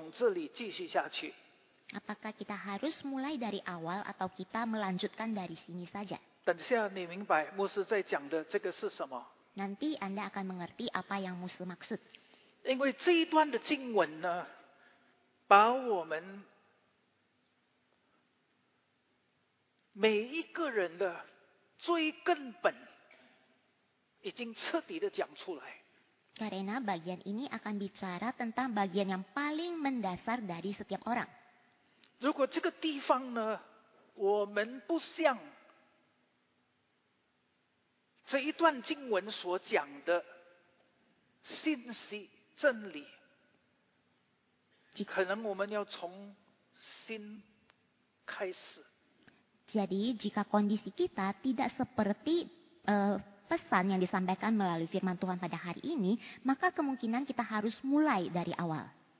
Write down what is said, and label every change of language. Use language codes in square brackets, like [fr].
[id] Apakah kita harus mulai dari awal atau kita melanjutkan dari sini saja? [zh] 等下你明白牧师在讲的这个是什么。 [id] Nanti Anda akan mengerti apa yang Musa maksud. [zh] 因为这一段的经文呢，把我们每一个人的最根本已经彻底的讲出来。 [id] Karena bagian ini akan bicara tentang bagian yang paling mendasar dari setiap orang. [zh] 如果这个地方呢，我们不像这一段经文所讲的信息真理，可能我们要从心开始。 [id] Jadi jika kondisi kita tidak seperti pesan yang disampaikan melalui firman Tuhan pada hari ini, maka kemungkinan kita harus mulai dari awal.